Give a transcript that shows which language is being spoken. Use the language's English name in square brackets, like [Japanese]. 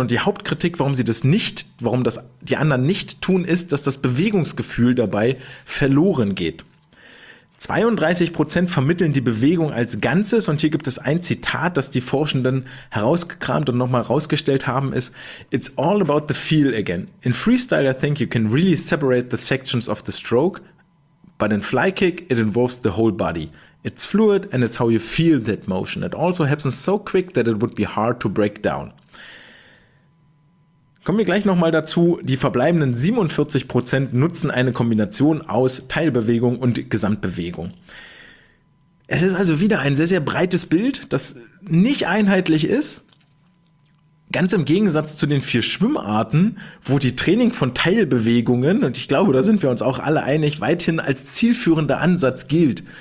[German] Und die Hauptkritik, warum das die anderen nicht tun, ist, dass das Bewegungsgefühl dabei verloren geht. 32% vermitteln die Bewegung als Ganzes, und hier gibt es ein Zitat, das die Forschenden herausgekramt und nochmal herausgestellt haben, ist: [English] It's all about the feel again. In freestyle, I think you can really separate the sections of the stroke, but in fly kick, it involves the whole body. It's fluid and it's how you feel that motion. It also happens so quick that it would be hard to break down. [German] Kommen wir gleich nochmal dazu, die verbleibenden 47% nutzen eine Kombination aus Teilbewegung und Gesamtbewegung. Es ist also wieder ein sehr, sehr breites Bild, das nicht einheitlich ist. Ganz im Gegensatz zu den vier Schwimmarten, wo die Training von Teilbewegungen, und ich glaube, da sind wir uns auch alle einig, weithin als zielführender Ansatz gilt.